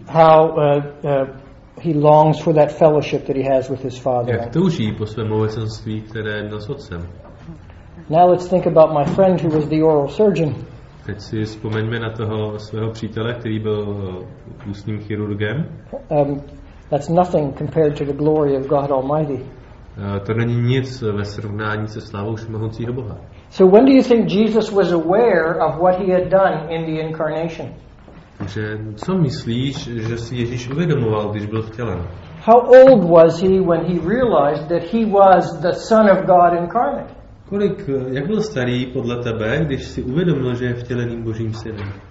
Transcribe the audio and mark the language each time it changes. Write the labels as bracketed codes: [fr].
[en] How he longs for that fellowship that he has with his father. [cs] Jak touží po svém obecenství, které měl s otcem. [en] Now let's think about my friend who was the oral surgeon. [cs] Teď si vzpomeňme na toho svého přítele, který byl ústním chirurgem. [en] That's nothing compared to the glory of God Almighty. [cs] To není nic ve srovnání se slávou všemohoucího Boha. [en] So when do you think Jesus was aware of what he had done in the incarnation? [cs] Takže co myslíš, že si Ježíš uvědomoval, když byl vtělen? [en] How old was he when he realized that he was the Son of God incarnate? [cs] Kolik, jak byl starý podle tebe, když si uvědomil, že je vtěleným Božím synem?